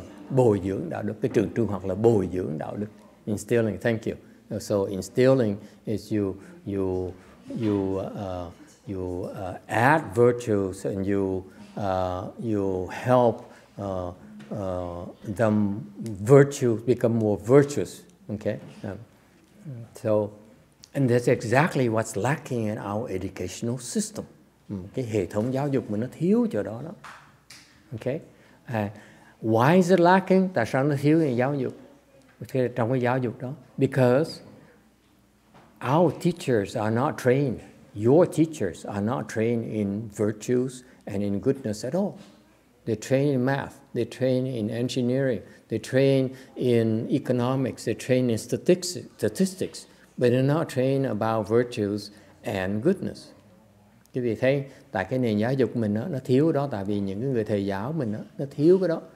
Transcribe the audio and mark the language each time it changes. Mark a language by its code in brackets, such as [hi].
[vi] Bồi dưỡng đạo đức. Cái trường trung học là bồi dưỡng đạo đức. [en] Instilling. Thank you. So instilling is you add virtues and you help them virtues become more virtuous. Okay, so and that's exactly what's lacking in our educational system. [vi] Cái hệ thống giáo dục mình nó thiếu chỗ đó đó. Okay, [en] why is it lacking? [vi] Tại sao nó thiếu cái giáo dục? Trong cái giáo dục đó, [en] because our teachers are not trained. Your teachers are not trained in virtues and in goodness at all. They train in math. They train in engineering. They train in economics. They train in statistics. But they're not trained about virtues and goodness. [vi] Quý vị thấy tại cái nền giáo dục mình đó, nó thiếu đó, tại vì những cái người thầy giáo mình đó, nó thiếu cái đó.